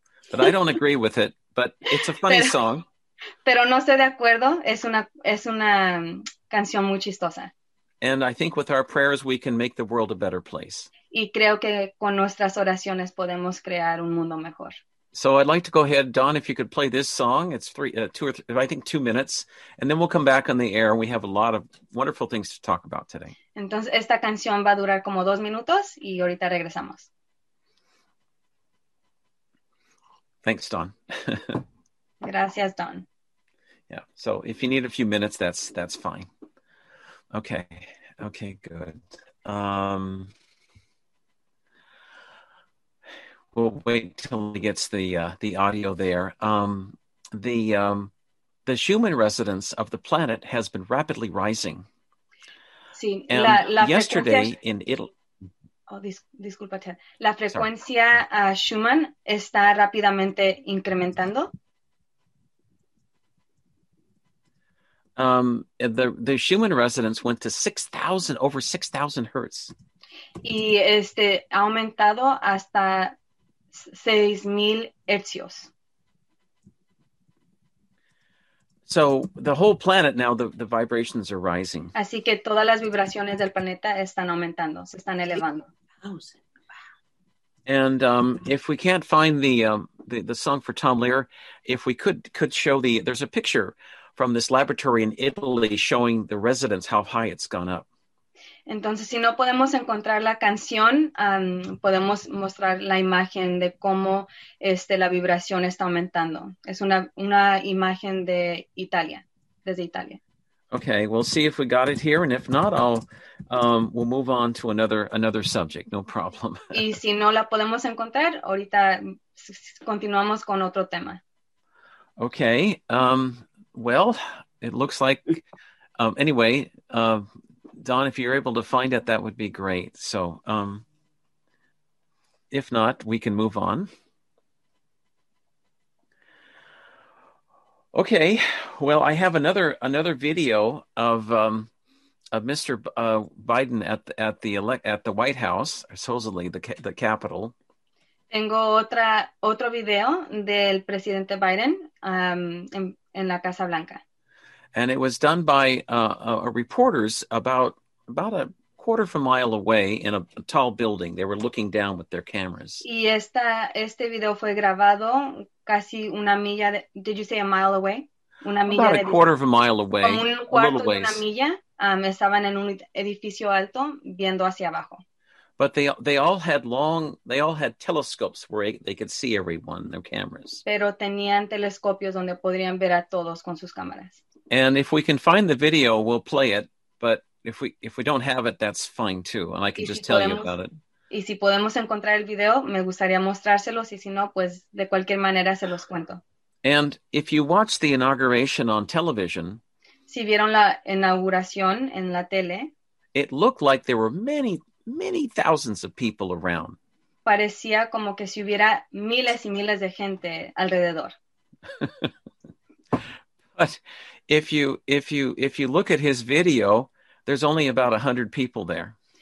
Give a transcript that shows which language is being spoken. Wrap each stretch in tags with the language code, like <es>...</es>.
<en>But I don't agree with it, but it's a funny song.</en> <es>Pero no estoy de acuerdo, es una canción muy chistosa.</es> <en>And I think with our prayers we can make the world a better place.</en> <es>Y creo que con nuestras oraciones podemos crear un mundo mejor.</es> <en>So I'd like to go ahead, Don, if you could play this song. It's two minutes. And then we'll come back on the air. And we have a lot of wonderful things to talk about today.</en> <es>Entonces, esta canción va a durar como 2 minutos y ahorita regresamos.</es> <en>Thanks, Don.</en> <es>Gracias, Don.</es> <en>Yeah, so if you need a few minutes, that's fine. Okay, good. We'll wait till he gets the audio there. The Schumann resonance of the planet has been rapidly rising.</en> <es>Sí,</es> <en>and</en> <es>la</es> <en>yesterday in Italy.</en> <es>Oh, disculpa, Ted. La frecuencia Schumann está rápidamente incrementando.</es> <en>The Schumann resonance went to 6,000, over 6,000 hertz.</en> <es>Y ha aumentado hasta 6,000 hertzios.</es> <en>So the whole planet now, the vibrations are rising.</en> <es>Así que todas las vibraciones del planeta están aumentando, se están elevando.</es> <en>And if we can't find the song for Tom Lehrer, if we could show the, there's a picture from this laboratory in Italy showing the residents how high it's gone up.</en> <es>Entonces, si no podemos encontrar la canción, podemos mostrar la imagen de cómo la vibración está aumentando. Es una imagen de Italia, desde Italia.</es> <en>Okay, we'll see if we got it here, and if not, we'll move on to another subject, no problem.</en> <es>Y si no la podemos encontrar, ahorita continuamos con otro tema.</es> <en>Okay, well, it looks like, anyway, Don, if you're able to find it, that would be great. So, if not, we can move on. Okay, well, I have another video of Mr. Biden at the White House, supposedly the Capitol.</en> <es>Tengo otro video del presidente Biden en la Casa Blanca.</es> <en>And it was done by reporters about a quarter of a mile away in a tall building. They were looking down with their cameras.</en> <es>Y este video fue grabado casi una milla de,</es> <en>did you say a mile away?</en> <es>Una milla</es> <en>about a</en> <es>de</es> <en>quarter distance. Of a mile away.</en> <es>Como un cuarto</es> <en>a little ways.</en> <es>De una milla, estaban en un edificio alto viendo hacia abajo.</es> <en>But they all had telescopes where they could see everyone, their cameras.</en> <es>Pero tenían telescopios donde podrían ver a todos con sus cámaras.</es> <en>And if we can find the video, we'll play it. But if we don't have it, that's fine too. And I can just tell you about it.</en> <es>Y si podemos encontrar el video, me gustaría mostrárselos. Y si no, pues de cualquier manera se los cuento.</es> <en>And if you watch the inauguration on television,</en> <es>si vieron la inauguración en la tele,</es> <en>it looked like there were many, many thousands of people around.</en> <es>Parecía como que si hubiera miles y miles de gente alrededor.</es> <en>But if you look at his video, there's only about 100 people there.</en>